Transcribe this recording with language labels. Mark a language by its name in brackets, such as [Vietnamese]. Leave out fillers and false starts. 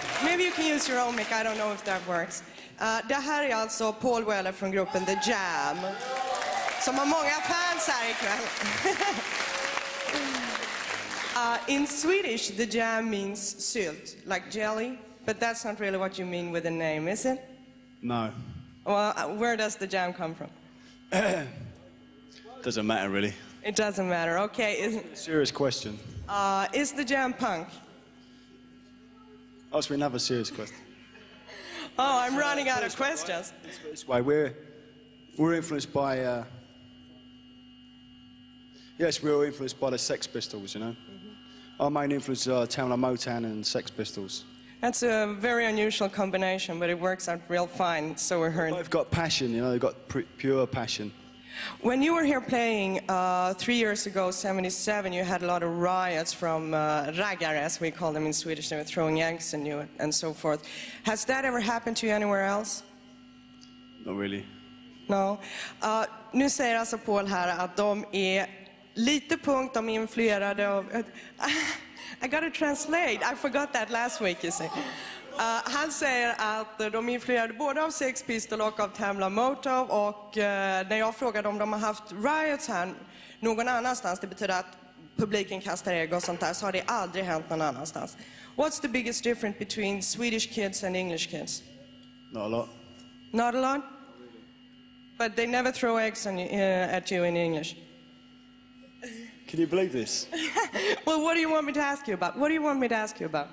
[English] Maybe you can use your own mic, I don't know if that works. [Swedish] Det här är alltså Paul Weller från gruppen The Jam, som har många fans här ikväll. [English] In Swedish, The Jam means sylt, like jelly, but that's not really what you mean with the name, is it? No. Well, where does The Jam come from? Doesn't matter, really. It doesn't matter, okay. Serious question. Is The Jam punk? Oh, so we have a serious question. Oh, I'm running out of questions. This way. We're influenced by... we're all influenced by the Sex Pistols, you know? Mm-hmm. Our main influences are Tamla Motown and Sex Pistols. That's a very unusual combination, but it works out real fine, so we're heard. They've got passion, you know, they've got pure passion. When you were here playing 3 years ago, 77, you had a lot of riots from raggare, as we call them in Swedish. They were throwing eggs and you and so forth. Has that ever happened to you anywhere else? Not really. No. [Swedish] Nu säger alltså Paul här att de är lite punk, de är influerade av... [English] I gotta translate. I forgot that last week, you see. [Swedish] Han säger att de är influerade både av Sex Pistols och av Tamla Motown. Och när jag frågade om de har haft riots här någon annanstans, det betyder att publiken kastar ägg och sånt där, så har det aldrig hänt någon annanstans. [English] What's the biggest difference between Swedish kids and English kids? Not a lot. Not a lot? Not really. But they never throw eggs at you in English. Can you believe this? Well, what do you want me to ask you about? What do you want me to ask you about?